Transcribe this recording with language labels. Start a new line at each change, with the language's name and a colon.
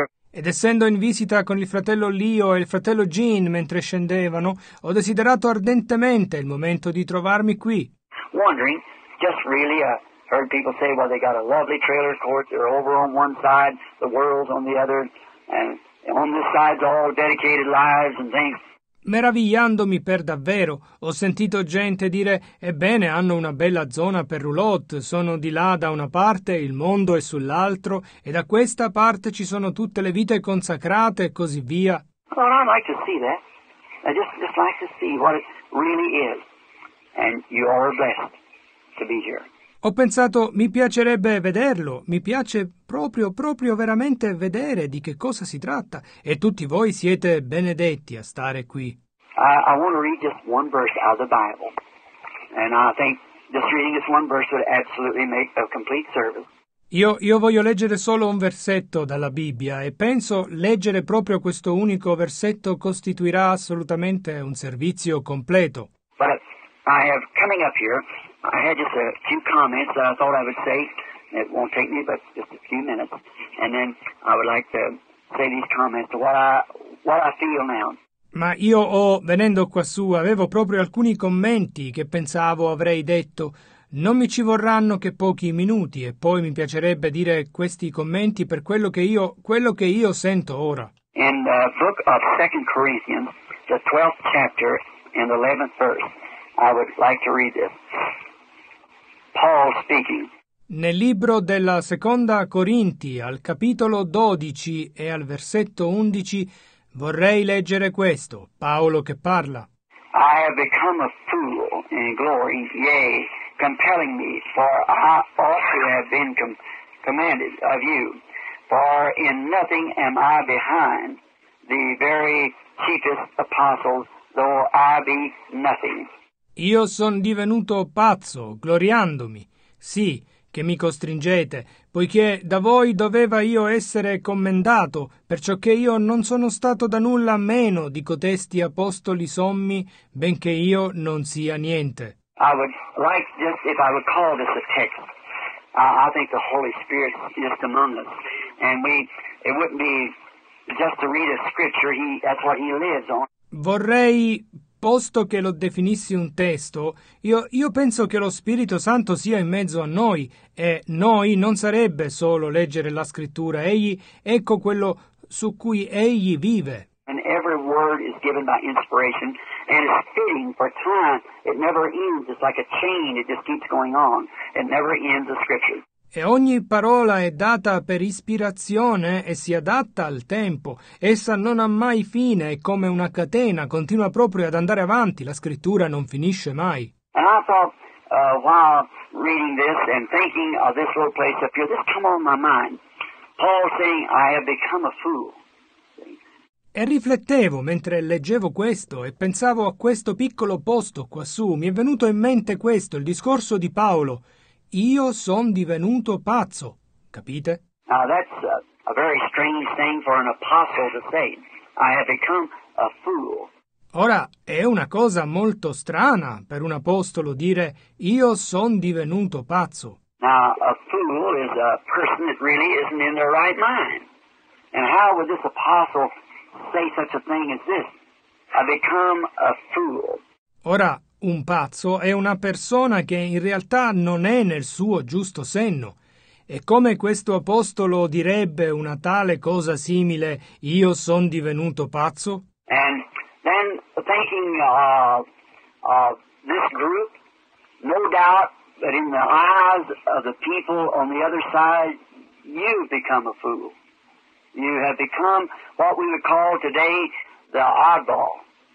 Italian: Ed essendo in visita con il fratello Leo e il fratello Jean mentre scendevano, ho desiderato ardentemente il momento di trovarmi qui.
English: Wondering, just really, heard people say, well, they got a lovely trailer court, they're over on one side, the world's on the other. And on this side's all dedicated lives and things.
Italian: Meravigliandomi per davvero, ho sentito gente dire, ebbene, hanno una bella zona per roulotte, sono di là da una parte, il mondo è sull'altro, e da questa parte ci sono tutte le vite consacrate e così via.
English: Well, I'd like to see that. I'd just like to see what it really is. And you are blessed to be here.
Italian: Ho pensato, mi piacerebbe vederlo, mi piace proprio veramente vedere di che cosa si tratta. E tutti voi siete benedetti a stare qui.
English: I want to read just one verse out of the Bible, and I think just reading this one verse would absolutely make a complete service.
Italian: Io voglio leggere solo un versetto dalla Bibbia e penso leggere proprio questo unico versetto costituirà assolutamente un servizio completo.
English: But I have coming up here. I had just a few comments that I thought I would say. It won't take me but just a few minutes, and then I would like to say these comments to what I feel now.
Italian: Ma io venendo quassù, avevo proprio alcuni commenti che pensavo avrei detto. Non mi ci vorranno che pochi minuti, e poi mi piacerebbe dire questi commenti per quello che io sento ora.
English: In the book of 2 Corinthians, the 12th chapter and 11th verse, I would like to read this. Paul speaking.
Italian: Nel libro della Seconda Corinti, al capitolo 12 e al versetto 11, vorrei leggere questo, Paolo che parla.
English: I have become a fool in glory, yea, compelling me, for I also have been commanded of you, for in nothing am I behind the very chiefest apostles, though I be nothing.
Italian: Io sono divenuto pazzo, gloriandomi. Sì, che mi costringete, poiché da voi doveva io essere commendato, perciò che io non sono stato da nulla meno di cotesti apostoli sommi, benché io non sia niente.
English: I would like just if I would call this a text. I think the Holy Spirit is just among us, and it wouldn't be just to read a scripture. That's what he lives on.
Italian: Vorrei, posto che lo definissi un testo, io penso che lo Spirito Santo sia in mezzo a noi, e noi non sarebbe solo leggere la Scrittura, egli, ecco quello su cui egli vive.
English: And every word is given by inspiration, and it's fitting for time. It never ends. It's like a chain. It just keeps going on. It never ends the scripture.
Italian: E ogni parola è data per ispirazione e si adatta al tempo. Essa non ha mai fine, è come una catena, continua proprio ad andare avanti. La scrittura non finisce mai.
English: And I thought, while reading this and thinking of this little place up here, this came on my mind. Paul saying, I have become a fool.
Italian: E riflettevo mentre leggevo questo e pensavo a questo piccolo posto quassù. Mi è venuto in mente questo, il discorso di Paolo. Io sono divenuto pazzo, capite?
English: Now that's a very strange thing for an apostle to say. I have become a fool.
Italian: Ora è una cosa molto strana per un apostolo dire io sono divenuto pazzo.
English: Now a fool is a person that really isn't in their right mind. And how would this apostle say such a thing as this? I become a fool.
Italian: Ora, un pazzo è una persona che in realtà non è nel suo giusto senno. E come questo apostolo direbbe una tale cosa simile, io sono divenuto pazzo?
English: And then thinking of this group, no doubt that in the eyes of the people on the other side, you've become a fool. You have become what we would call today the oddball.